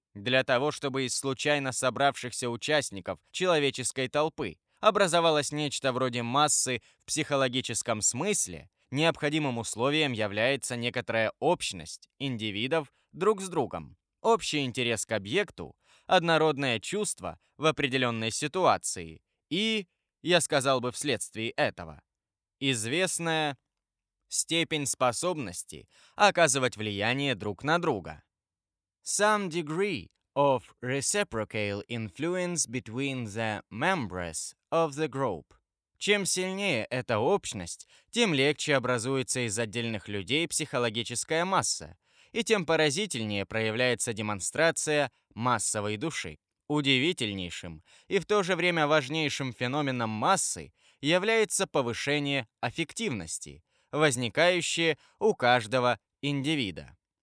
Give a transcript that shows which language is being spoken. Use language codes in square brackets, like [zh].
[ru] Для того, чтобы из случайно собравшихся участников человеческой толпы образовалось нечто вроде массы в психологическом смысле, необходимым условием является некоторая общность индивидов друг с другом, общий интерес к объекту, однородное чувство в определенной ситуации и, я сказал бы вследствие этого, известная степень способности оказывать влияние друг на друга. [en] Some degree of reciprocal influence between the members of the group. [ru] Чем сильнее эта общность, тем легче образуется из отдельных людей психологическая масса, и тем поразительнее проявляется демонстрация массовой души. Удивительнейшим и в то же время важнейшим феноменом массы является повышение аффективности, возникающее у каждого индивида.